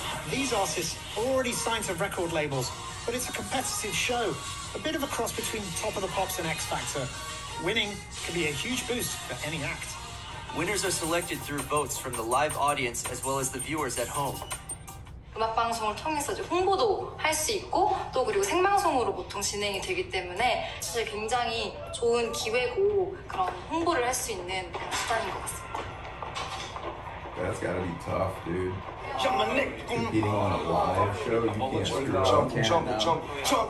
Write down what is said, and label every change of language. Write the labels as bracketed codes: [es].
[en] These artists already signed to record labels, but it's a competitive show, a bit of a cross between Top of the Pops and X Factor. Winning can be a huge boost for any act. Winners are selected through votes from the live audience as well as the viewers at home. [ko] 음악 방송을 통해서 이제 홍보도 할 수 있고 또 그리고 생방송으로 보통 진행이 되기 때문에 사실 굉장히 좋은 기회고 그런 홍보를 할 수 있는 그런 수단인 것 같습니다. [en] That's gotta be tough, dude. Competing on a live show, you can't screw up.